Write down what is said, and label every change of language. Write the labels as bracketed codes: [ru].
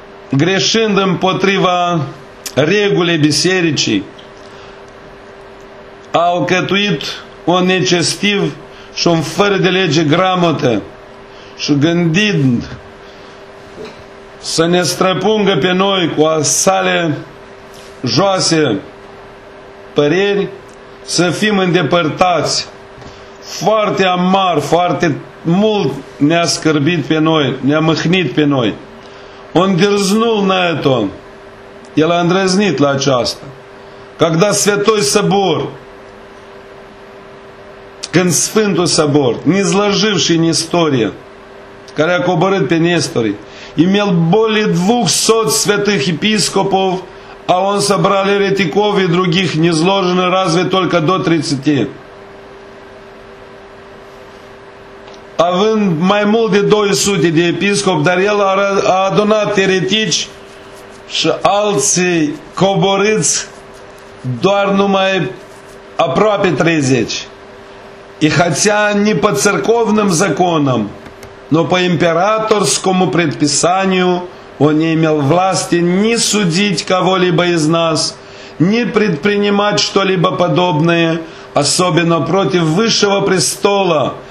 [ro] greșind împotriva regulii bisericii, a alcătuit un necestiv și un fără de lege gramotă și gândind să ne străpungă pe noi cu sale joase păreri, să fim îndepărtați. Foarte amar, foarte mult ne-a scârbit pe noi, ne-a mâhnit pe noi. [ru] Он дерзнул на это. [ro] El a îndrăznit la aceasta. [ru] Когда Святой Собор, [ro] când Sfântul Собор, [ru] низложивший Несторие, [ro] care a coborât pe Nestorii, [ru] имел более 200 святых епископов, а он собрал еретиков и других низложенных разве только до 30. [ro] Având mai mult de 200 de episcopi, dar el a adunat eretici și alții coborâți doar numai aproape 30. [ru] И хотя не по церковным законам, но по императорскому предписанию он не имел власти ни судить кого-либо из нас, ни предпринимать что-либо подобное, особенно против высшего престола.